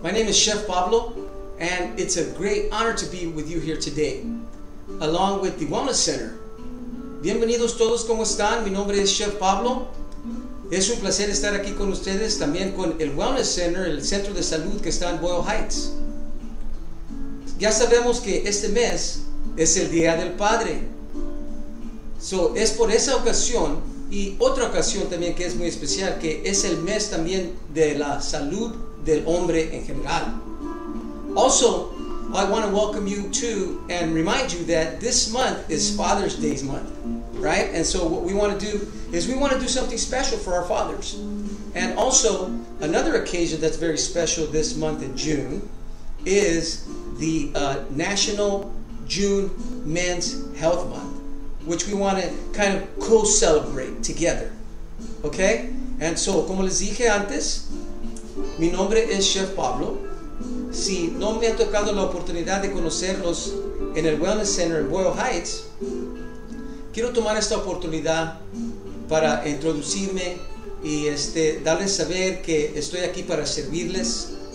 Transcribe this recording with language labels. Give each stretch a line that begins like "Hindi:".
English: My name is Chef Pablo, and it's a great honor to be with you here today, along with the Wellness Center.
Spanish: Bienvenidos todos, ¿cómo están? Mi nombre es Chef Pablo. Es un placer estar aquí con ustedes, también con el Wellness Center, el centro de salud que está en Boyle Heights. Ya sabemos que este mes es el Día del Padre. So, es por esa ocasión y otra ocasión también que es muy especial, que es el mes también de la salud del hombre en general.
English: Also, I want to welcome you to and remind you that this month is Father's Day month, right? And so what we want to do is we want to do something special for our fathers. And also, another occasion that's very special this month in June is the National June Men's Health Month, which we want to kind of co-celebrate together, okay? And so,
Spanish: como les dije antes, mi nombre es Chef Pablo. Si no me ha tocado la oportunidad de conocerlos en el Wellness Center en Boyle Heights, quiero tomar esta oportunidad para introducirme y darles saber que estoy aquí para servirles